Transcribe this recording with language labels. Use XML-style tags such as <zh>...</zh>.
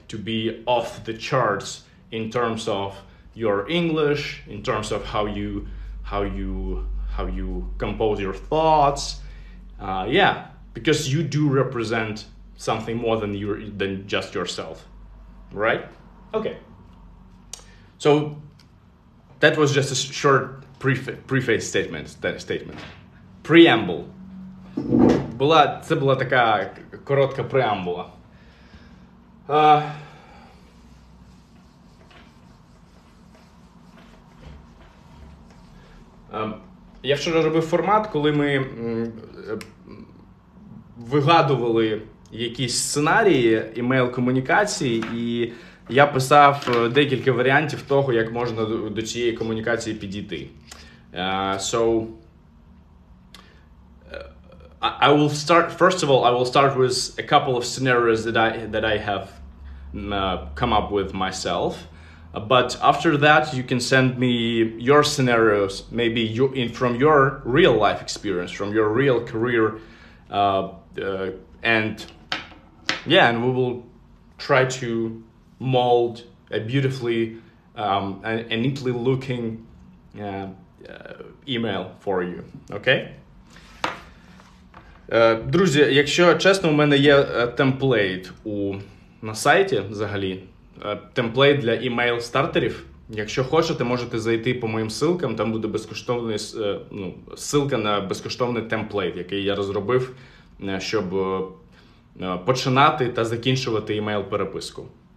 <en>To be off the charts in terms of your English, in terms of how you compose your thoughts. Because you do represent something more than just yourself, right? Okay. So that was just a short preface statement, преамбула.</en> <uk>Це була така коротка преамбула. Я вчора робив формат, коли ми вигадували якісь сценарії імейл-комунікації, і я писав декілька варіантів того, як можна до цієї комунікації підійти.</uk> <en>So, I will start, first of all, I will start with a couple of scenarios that I have come up with myself. But after that, you can send me your scenarios, maybe you, in from your real life experience, from your real career, and we will try to mold a beautifully a neatly looking email for you. Okay.</en> <uk>Друзі, якщо чесно, у мене є темплейт на сайті взагалі. Темплейт для email стартерів. Якщо хочете, можете зайти по моїм ссилкам. Там буде безкоштовний ссылка на безкоштовний темплейт, який я розробив, щоб починати та закінчувати email переписку.</uk>